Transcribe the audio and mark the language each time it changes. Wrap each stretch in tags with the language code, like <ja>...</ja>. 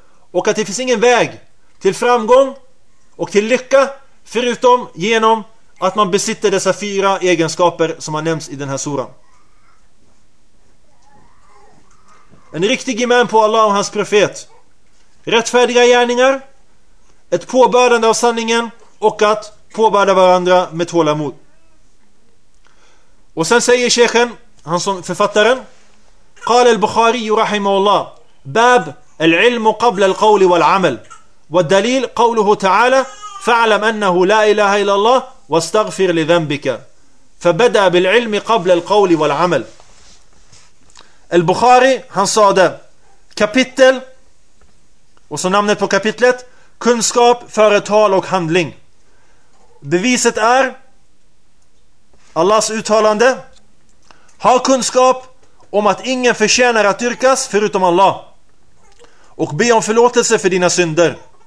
<sv>Och att det finns ingen väg till framgång och till lycka förutom genom att man besitter dessa fyra egenskaper som har nämnts i den här suran. En riktig iman på Allah och hans profet, rättfärdiga gärningar, ett påbördande av sanningen och att påbörda varandra med tålamod. Och sen säger sheikhen, han som författaren,</sv> <ar>قال البخاري رحمه الله باب العلم قبل القول والعمل والدليل قوله تعالى فاعلم أنه لا إله إلا الله واستغفر لذنبك فبدأ بالعلم قبل القول والعمل.</ar> <sv>البخاري han sa det, kapitel, och så namnet på kapitlet: kunskap före tal och handling. Beviset är Allahs uttalande: ha kunskap om att ingen förtjänar att dyrkas förutom Allah, och be om förlåtelse för dina synder.</sv>